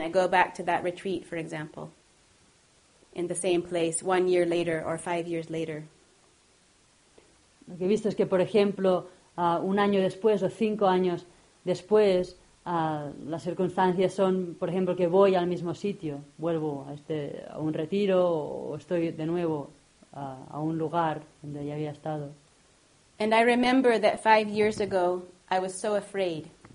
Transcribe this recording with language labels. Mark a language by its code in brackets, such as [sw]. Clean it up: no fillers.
[en] I go back to that retreat, for example, in the same place 1 year later or 5 years later. [es] Lo que he visto es que, por ejemplo, un año después o 5 años después, las circunstancias son, por ejemplo, que voy al mismo sitio, vuelvo a un retiro o estoy de nuevo a un lugar donde ya había estado. [en] And I remember that 5 years ago I was so afraid.